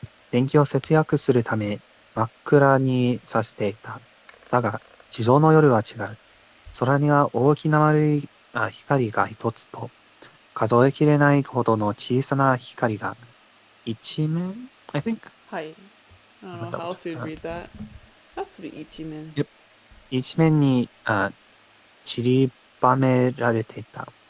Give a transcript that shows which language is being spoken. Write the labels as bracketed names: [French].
[Japanese] 電気を節約するため真っ暗にさせていた。だが地上の夜は違う。空には大きな丸い光が一つと数えきれないほどの小さな光が一面 [English] I think? [Japanese] はい。 [English] I don't know how else you'd read that. That's to be 一面。 Yep. [Japanese] 一面に散りばめられていた。